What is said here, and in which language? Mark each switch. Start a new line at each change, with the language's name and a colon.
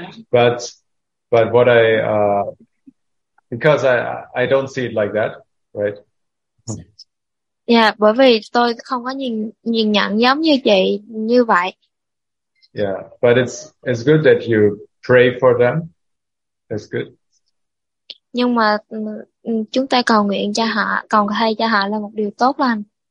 English: but what I because I don't see it like that, right?
Vietnamese: Yeah, bởi vì tôi không có nhìn nhận giống như chị như vậy.
English: Yeah, but it's good that you pray for them. That's good.
Vietnamese: Nhưng mà chúng ta cầu nguyện cho họ, cầu thay cho họ là một điều tốt lành.